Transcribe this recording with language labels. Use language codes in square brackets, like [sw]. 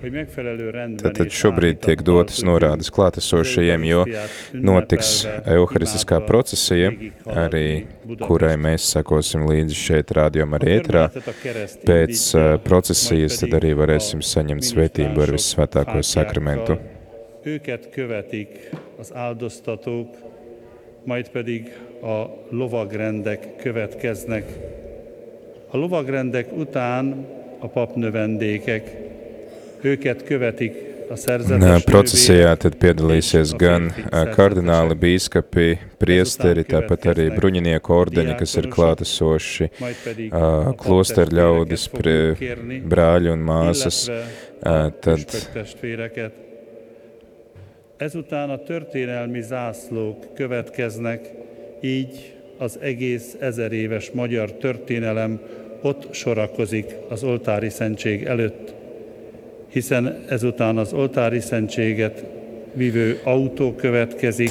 [lv] Tātad šobrīd tiek dotas norādes klātesošajiem, jo notiks eukaristiskā procesija, arī kurai mēs sekosim līdzi šeit rādio marietrā. Pēc procesijas tad arī varēsim saņemt svētību ar vissvētāko sakramentu. [hu] Őket követik az áldoztatók, majd pedig a lovagrendek következnek. A lovagrendek után a papnövendékek, őket követik a szerzetes nővérek. [lv] Procesijā tad piedalīsies gan kardināli, bīskapi, priesteri, tāpat arī bruņinieku ordeņi, kas ir klātesoši, klosteru ļaudis, brāļi un māsas. Tad [hu] ezután a történelmi zászlók következnek, így az egész ezer éves magyar történelem ott sorakozik az oltári szentség előtt, hiszen ezután az oltári szentséget vívő autó következik.